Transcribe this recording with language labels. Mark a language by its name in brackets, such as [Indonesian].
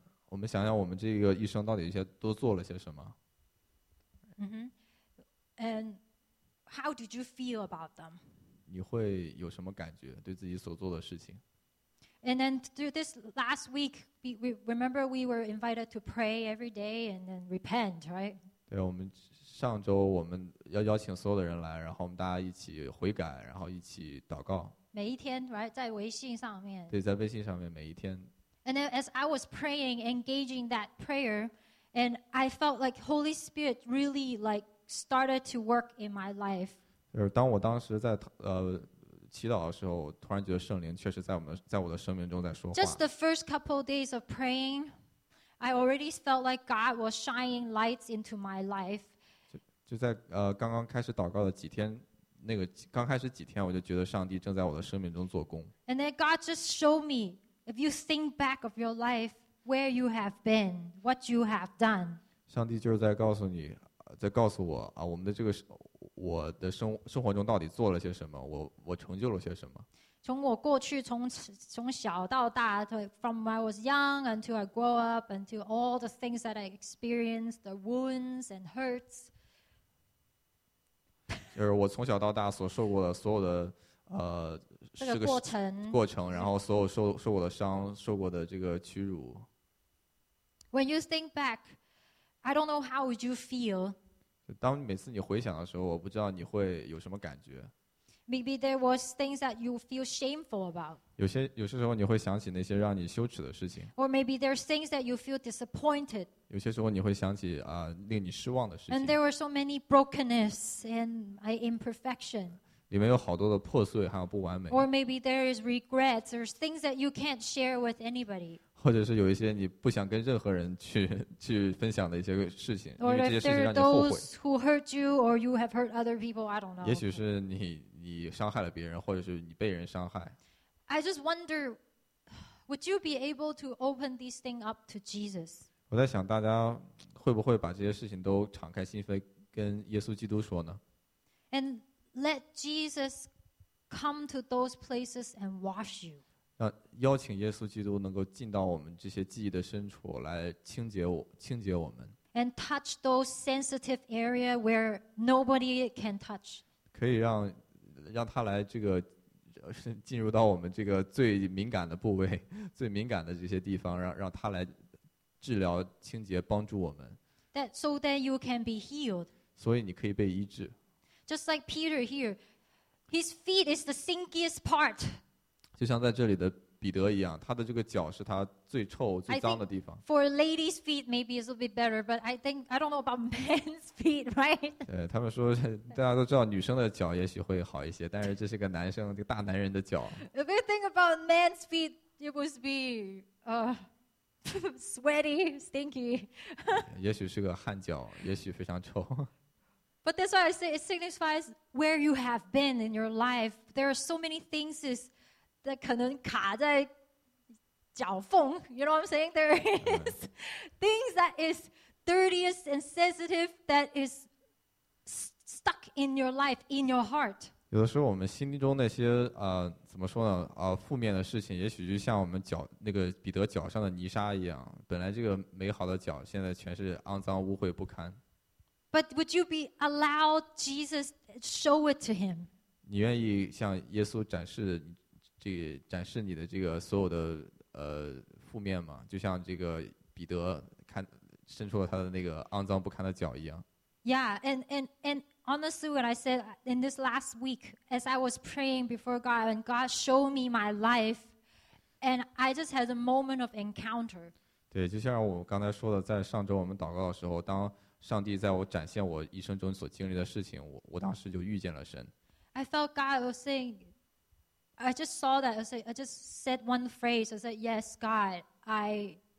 [Chinese] 我们想想我们这个一生到底都做了些什么。 Mm-hmm. [English] And how did you feel about them? [Chinese] 你会有什么感觉对自己所做的事情？ [English] And then through this last week, remember we were invited to pray every day and then repent, right? [Chinese] 对，我们上周我们要邀请所有的人来，然后我们大家一起悔改，然后一起祷告。每一天 ， [English] right， [Chinese] 在微信上面。对，在微信上面每一天。 [English] And then as I was praying, engaging that prayer, and I felt like Holy Spirit really like started to work in my life. [Chinese] 就是当我当时在祈祷的时候，我突然觉得圣灵确实在我的生命中在说话。 [English] Just the first couple days of praying. I already felt like God was shining lights into my life. [Chinese] 就在刚刚开始祷告的几天，那个刚开始几天，我就觉得上帝正在我的生命中做工。 [English] And then God just showed me, if you think back of your life, where you have been, what you have done. [Chinese] 上帝就是在告诉你，在告诉我啊，我们的这个我的生活中到底做了些什么，我成就了些什么。从我过去从小到大 [English] from when I was young until I grow up until all the things that I experienced the wounds and hurts [Chinese] 就是我从小到大所受过的所有的这个过程，然后所有受过的伤，受过的这个屈辱。 [English] When you think back, I don't know how would you feel. [Chinese] 当每次你回想的时候，我不知道你会有什么感觉。 [English] Maybe there was things that you feel shameful about. [Chinese] 有些时候你会想起那些让你羞耻的事情。 [English] Or maybe there's things that you feel disappointed. [Chinese] 有些时候你会想起令你失望的事情。 [English] And there were so many brokenness and imperfection. [Chinese] 里面有好多的破碎还有不完美。 [English] Or maybe there is regrets or things that you can't share with anybody. [Chinese] 或者是有一些你不想跟任何人去分享的一些事情。 [English] Or if there are those who hurt you or you have hurt other people, I don't know. [Chinese] 也许是你伤害了别人，或者是你被人伤害。 [English] I just wonder, would you be able to open these things up to Jesus? [Chinese] 我在想，大家会不会把这些事情都敞开心扉跟耶稣基督说呢 [English] ？And let Jesus come to those places and wash you. [Chinese] 邀请耶稣基督能够进到我们这些记忆的深处来清洁我们。 [English] And touch those sensitive areas where nobody can touch. [Chinese] 可以让他来这个进入到我们这个最敏感的部位，最敏感的这些地方，让他来治疗、清洁、帮助我们。 [English] That so that you can be healed. [Chinese] 所以你可以被医治。 [English] Just like Peter here, his feet is the stinkiest part. [Chinese] 就像在这里的彼得一样，他的这个脚是他最臭、最脏的地方。 [English] For ladies' feet, maybe it's a bit better, but I don't know about men's feet, right? [Chinese] 对，他们说，大家都知道女生的脚也许会好一些，但是这是个男生，这个大男人的脚。 [English] If you think about men's feet, it must be sweaty, stinky. [Chinese] 也许是个汗脚，也许非常臭。 [English] But that's why I say it signifies where you have been in your life. There are so many things is. That [Chinese] 可能卡在脚缝 [English] you know what I'm saying? There is things that is dirtiest and sensitive that is stuck in your life, in your heart. [Chinese] 有的时候我们心中那些怎么说呢负面的事情也许就像我们脚那个彼得脚上的泥沙一样本来这个美好的脚现在全是肮脏污秽不堪 [English] But would you be allowed Jesus show it to him? [Chinese] 你愿意向耶稣展示这个展示你的这个所有的负面嘛，就像这个彼得看伸出了他的那个肮脏不堪的脚一样。 [English] Yeah, and honestly, what I said in this last week, as I was praying before God and God showed me my life, and I just had a moment of encounter. [Chinese] 对，就像我刚才说的，在上周我们祷告的时候，当上帝在我展现我一生中所经历的事情，我当时就遇见了神。 [English] I felt God was saying. I just saw that. I just said one phrase. I said, "Yes, God, I.